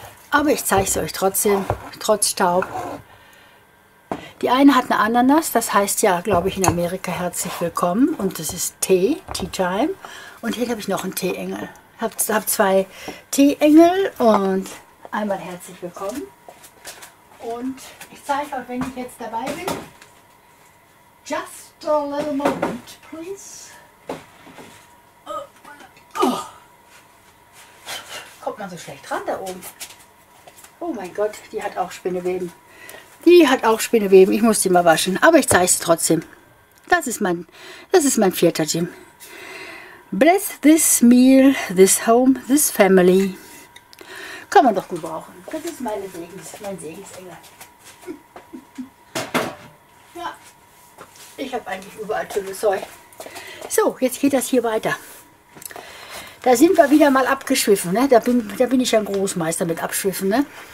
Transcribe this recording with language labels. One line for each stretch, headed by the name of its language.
German: Aber ich zeige es euch trotzdem, trotz Staub. Die eine hat eine Ananas, das heißt ja, glaube ich, in Amerika herzlich willkommen. Und das ist Tea Time. Und hier habe ich noch einen Teeengel. Hab zwei Teeengel und einmal herzlich willkommen. Und ich zeige euch, wenn ich jetzt dabei bin.
English: Just a little moment, please.
German: Kommt man so schlecht dran da oben? Oh mein Gott, die hat auch Spinneweben. Die hat auch Spinneweben. Ich muss die mal waschen. Aber ich zeige es trotzdem. Das ist mein vierter Jim.
English: Bless this meal, this home, this family.
German: Kann man doch gut brauchen. Das ist mein Segensengel. Ja, ich habe eigentlich überall tolles Zeug. So, jetzt geht das hier weiter. Da sind wir wieder mal abgeschwiffen, ne? Da bin ich ja ein Großmeister mit Abschwiffen, ne?